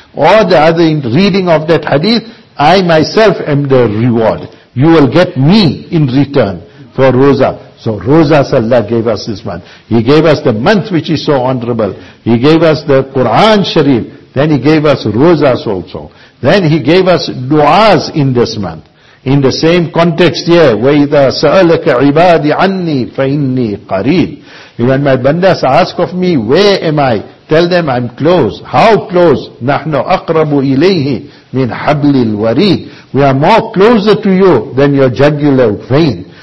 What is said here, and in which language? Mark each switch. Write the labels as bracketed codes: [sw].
[en] Or the other in reading of that hadith, I myself am the reward. You will get me in return for roza. So roza Allah gave us this month. He gave us the month which is so honorable. He gave us the Quran Sharif. Then he gave us rozas also. Then he gave us du'as in this month. In the same context here, [ar] وَإِذَا سَأَلَكَ عِبَادِ عَنِّي فَإِنِّي قَرِيبٌ. [en] When my bandas ask of me, where am I? Tell them I'm close. How close? [ar] نَحْنُ أَقْرَبُ إِلَيْهِ مِنْ حَبْلِ الْوَرِيدِ. [en] We are more closer to you than your jugular vein.